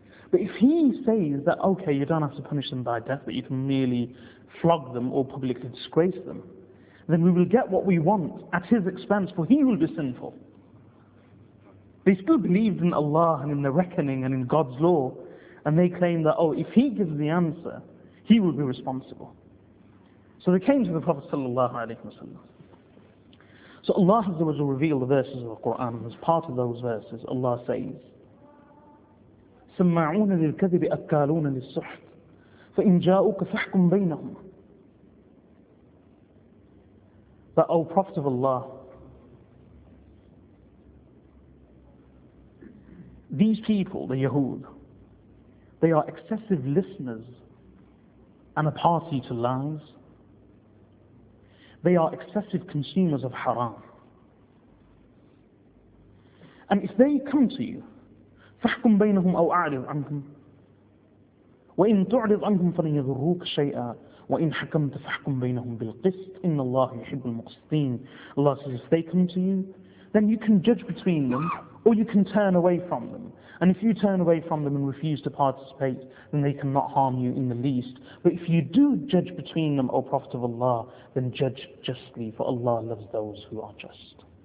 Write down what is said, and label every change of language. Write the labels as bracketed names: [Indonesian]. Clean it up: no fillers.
[English] But if he says that, okay, you don't have to punish them by death, but you can merely flog them or publicly disgrace them, then we will get what we want at his expense, for he will be sinful. They still believed in Allah and in the reckoning and in God's law, and they claim that, oh, if he gives the answer, he will be responsible. So they came to the Prophet sallallahu alaihi wasallam. So Allah Azza wa Jalla revealed the verses of the Quran. As part of those verses, Allah says, [Arabic] سَمَّعُونَ لِلْكَذِبِ أَكَّالُونَ لِلْسُحْتِ فَإِنْ جَاءُكَ فَحْكُمْ بَيْنَهُمْ. [English] That, O Prophet of Allah, these people, the Yahud, they are excessive listeners and a party to lies. They are excessive consumers of haram. And if they come to you, [Arabic] فَحْكُمْ بَيْنَهُمْ أَوْ أَعْرِضْ عَنْهُمْ وَإِنْ تُعْرِضْ عَنْهُمْ فَلَنْ يَذُرُّوكَ شَيْئًا وَإِنْ حَكَمْتَ فَحْكُمْ بَيْنَهُمْ بِالْقِسْطِ إِنَّ اللَّهَ يُحِبُّ الْمُقْسِطِينَ. [English] Allah says, if they come to you, then you can judge between them, or you can turn away from them. And if you turn away from them and refuse to participate, then they cannot harm you in the least. But if you do judge between them, O Prophet of Allah, then judge justly, for Allah loves those who are just.